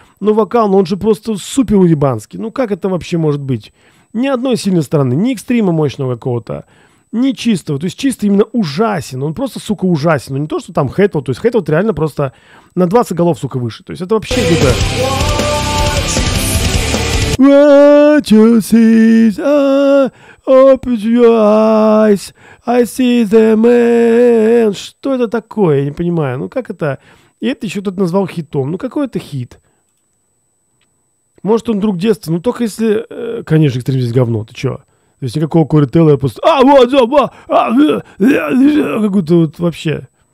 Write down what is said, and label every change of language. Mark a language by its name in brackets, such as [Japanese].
[Russian] Ну вокал, ну он же просто супер уебанский. Ну как это вообще может быть? Ни одной сильной стороны, ни экстрима мощного какого-то, ни чистого. То есть чистый именно ужасен. Он просто, сука, ужасен. Ну не то, что там Хэтвуд. То есть Хэтвуд реально просто на 20 голов, сука, выше. То есть это вообще где-то... [English] What you see, open your eyes, I see the man. [Russian] Что это такое? Я не понимаю. Ну как это? И это еще кто-то назвал хитом. Ну какой это хит? Может, он друг детства? Ну только если... Конечно, экстрим здесь говно. Ты че? То есть никакого корителла, я просто... Какой-то вот вообще...